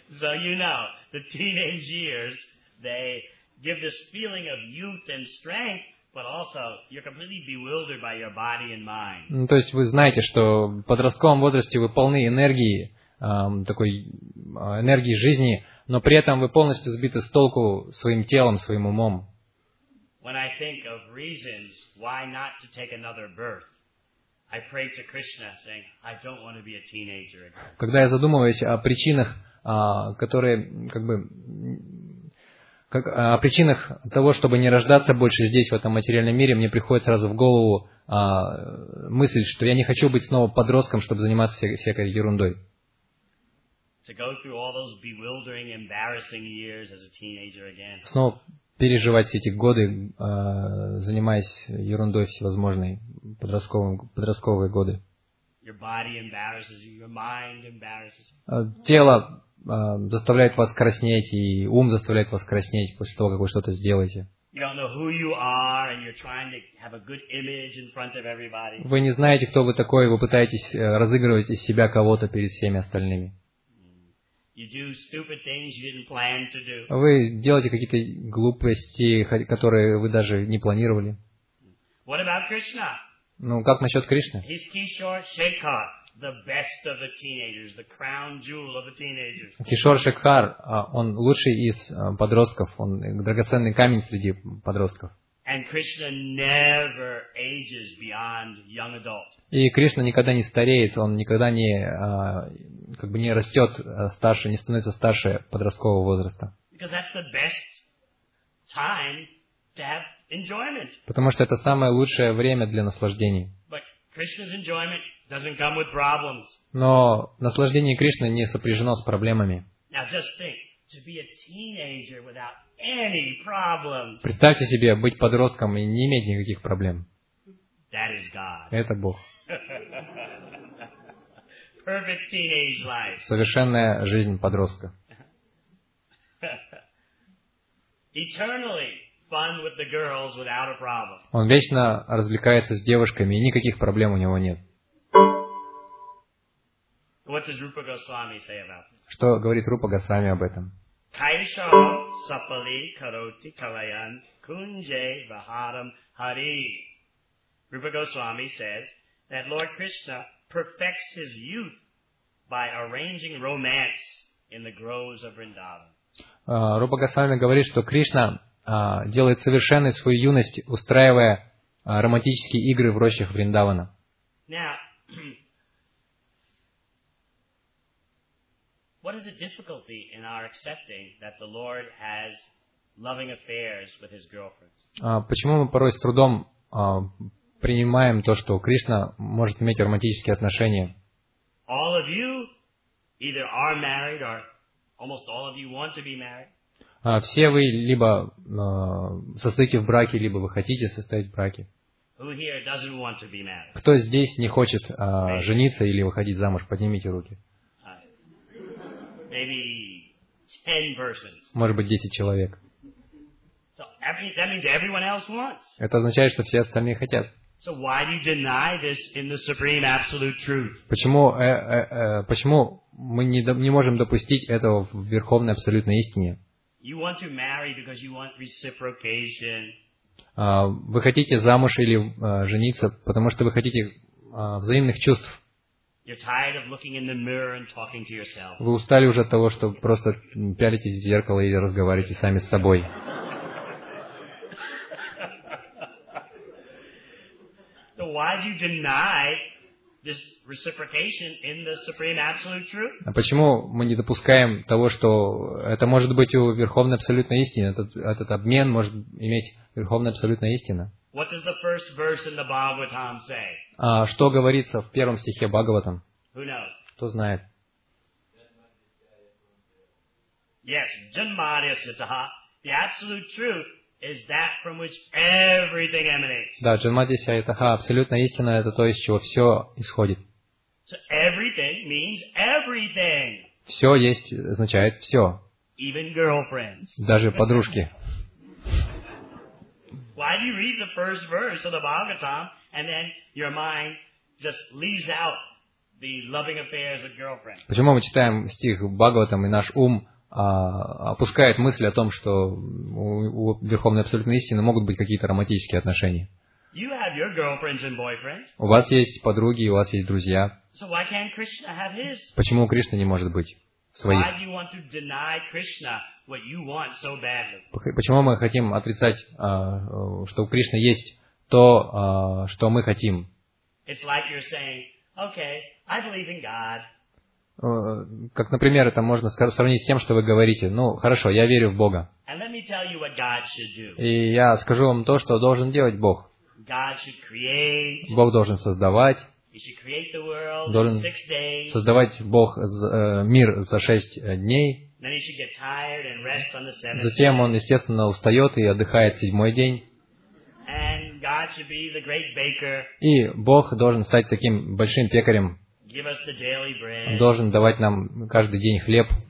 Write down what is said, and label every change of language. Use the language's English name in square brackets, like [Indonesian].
[English] So you know, the teenage years, they give this feeling of youth and strength, but also you're completely bewildered by your body and mind. [Russian] Ну, то есть вы знаете, что в подростковом возрасте вы полны энергии, такой энергии жизни, но при этом вы полностью сбиты с толку своим телом, своим умом. [English] When I think of reasons why not to take another birth, I pray to Krishna saying, I don't want to be a teenager again. [Russian] Когда я задумываюсь о причинах, которые как бы как, о причинах того, чтобы не рождаться больше здесь, в этом материальном мире, мне приходит сразу в голову мысль, что я не хочу быть снова подростком, чтобы заниматься всякой ерундой. [English] To go through all those bewildering, embarrassing years as a teenager again. [Russian] Снова переживать все эти годы, занимаясь ерундой всевозможной, подростковые годы. [English] Your body embarrasses you, your mind embarrasses you. [Russian] Тело заставляет вас краснеть, и ум заставляет вас краснеть после того, как вы что-то сделаете. [English] You don't know who you are, and you're trying to have a good image in front of everybody. [Russian] Вы не знаете, кто вы такой, вы пытаетесь разыгрывать из себя кого-то перед всеми остальными. [English] You do stupid things you didn't plan to do. [Russian] Вы делаете какие-то глупости, которые вы даже не планировали. [English] What about Krishna? [Russian] Ну, как насчет Кришны? [English] He's Kishore Shekhar, the best of the teenagers, the crown jewel of the teenagers. [Russian] Кишор Шекхар, он лучший из подростков, он драгоценный камень среди подростков. [English] And Krishna never ages beyond young adult. [Russian] И Кришна никогда не стареет, он никогда не как бы не растет старше, не становится старше подросткового возраста. [English] Because that's the best time to have enjoyment. [Russian] Потому что это самое лучшее время для наслаждений. [English] But Krishna's enjoyment doesn't come with problems. [Russian] Но наслаждение Кришны не сопряжено с проблемами. [English] Now just think, to be a teenager without any problems. [Russian] Представьте себе быть подростком и не иметь никаких проблем. [English] That is God. [Russian] Это Бог. [English] Perfect teenage life. [Russian] Совершенная жизнь подростка. [English] Eternally fun with the girls without a problem. [Russian] Он вечно развлекается с девушками и никаких проблем у него нет. [English] What does Rupa Goswami say about this? [Russian] Что говорит Рупа Госвами об этом? [Sanskrit] Кайшо сапали кароти калаян кунже вахарам хари. [English] Rupa Goswami says that Lord Krishna perfects his youth by arranging romance in the groves of Vrindavan. [Russian] Рупа Госвами говорит, что Кришна делает совершенной свою юность, устраивая романтические игры в рощах Вриндавана. [English] Now, what is the difficulty in our accepting that the Lord has loving affairs with his girlfriends? [Russian] Почему мы порой с трудом принимаем то, что Кришна может иметь романтические отношения? [English] All of you either are married or almost all of you want to be married. [Russian] Все вы либо состоите в браке, либо вы хотите состоять в браке. [English] Who here doesn't want to be married? [Russian] Кто здесь не хочет жениться или выходить замуж? Поднимите руки. [English] Maybe 10 persons. [Russian] Может быть, 10 человек. [English] So that means everyone else wants. [Russian] Это означает, что все остальные хотят. [English] So why do you deny this in the supreme absolute truth? [Russian] Почему мы не можем допустить этого в верховной абсолютной истине? [English] You want to marry because you want reciprocation. [Russian] Вы хотите замуж или жениться, потому что вы хотите взаимных чувств. [English] You're tired of looking in the mirror and talking to yourself. [Russian] Вы устали уже от того, что просто пялитесь в зеркало и разговариваете сами с собой. [English] So why do you deny this reciprocation in the supreme absolute truth? [Russian] А почему мы не допускаем того, что это может быть у верховной абсолютной истины? Этот обмен может иметь верховная абсолютная истина. [English] What does the first verse in the Bhagavatam say? [Russian] Что говорится в первом стихе Бхагаватам? [English] Who knows? [Russian] Кто знает? [English] Yes, Janmadhyasthitaḥ. The absolute truth is that from which everything emanates. [Russian] Да, Janmadhyasthitaḥ. Абсолютная истина — это то, из чего все исходит. [English] So everything means everything. [Russian] Все есть означает все. [English] Even girlfriends. [Russian] Даже подружки. [English] Why do you read the first verse of the Bhagavatam? And then your mind just leaves out the loving affairs with girlfriends. [Russian] Почему мы читаем стих Бхагаватам, и наш ум опускает мысль о том, что у верховной абсолютной истины могут быть какие-то романтические отношения? [English] You have your girlfriends and boyfriends. [Russian] У вас есть подруги, у вас есть друзья. [English] So why can't Krishna have his? [Russian] Почему у Кришны не может быть своих? [English] Why do you want to deny Krishna what you want so badly? [Russian] Почему мы хотим отрицать, что у Кришны есть то, что мы хотим? [English] It's like you're saying, okay, I believe in God. [Russian] Как, например, это можно сравнить с тем, что вы говорите: ну, хорошо, я верю в Бога. [English] And let me tell you what God should do. [Russian] И я скажу вам то, что должен делать Бог. [English] God should create. [Russian] Бог должен создавать. [English] He should create the world [Russian] должен [English] in six days. [Russian] Создавать Бог мир за 6 дней. [English] Then he should get tired and rest on the seventh day. [Russian] Затем он, естественно, устает и отдыхает 7-й день. [English] God should be the great baker. [Russian] И Бог должен стать таким большим пекарем. [English] Give us the daily bread. [Russian] Он должен давать нам каждый день хлеб.